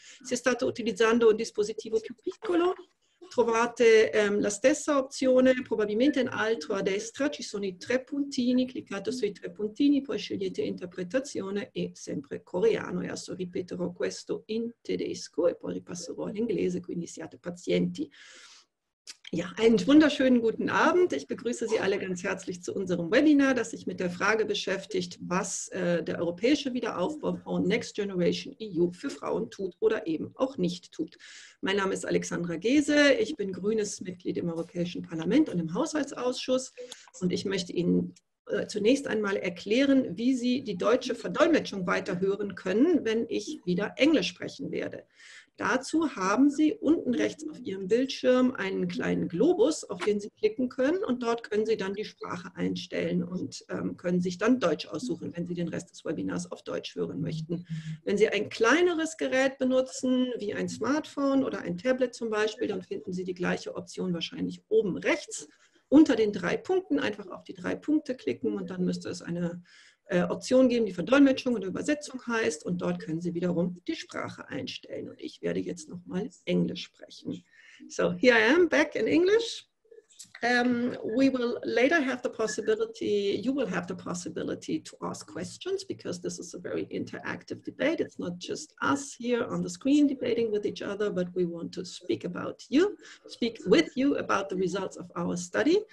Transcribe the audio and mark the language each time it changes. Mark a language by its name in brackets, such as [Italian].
[Italian] Se state utilizzando un dispositivo più piccolo, trovate la stessa opzione, probabilmente in alto a destra, ci sono i tre puntini, cliccate sui tre puntini, poi scegliete interpretazione e sempre coreano. E adesso ripeterò questo in tedesco e poi ripasserò all'inglese, quindi siate pazienti. [German] Ja, einen wunderschönen guten Abend. Ich begrüße Sie alle ganz herzlich zu unserem Webinar, das sich mit der Frage beschäftigt, was der Europäische Wiederaufbaufonds Next Generation EU für Frauen tut oder eben auch nicht tut. Mein Name ist Alexandra Gese. Ich bin grünes Mitglied im Europäischen Parlament und im Haushaltsausschuss und ich möchte Ihnen zunächst einmal erklären, wie Sie die deutsche Verdolmetschung weiterhören können, wenn ich wieder Englisch sprechen werde. Dazu haben Sie unten rechts auf Ihrem Bildschirm einen kleinen Globus, auf den Sie klicken können und dort können Sie dann die Sprache einstellen und können sich dann Deutsch aussuchen, wenn Sie den Rest des Webinars auf Deutsch hören möchten. Wenn Sie ein kleineres Gerät benutzen, wie ein Smartphone oder ein Tablet zum Beispiel, dann finden Sie die gleiche Option wahrscheinlich oben rechts unter den drei Punkten. Einfach auf die drei Punkte klicken und dann müsste es eine Option geben, die Verdolmetschung oder Übersetzung heißt und dort können Sie wiederum die Sprache einstellen und ich werde jetzt nochmal Englisch sprechen. [English] So, here I am back in English. We will later have the possibility, you will have the possibility to ask questions because this is a very interactive debate. It's not just us here on the screen debating with each other, but we want to speak with you about the results of our study.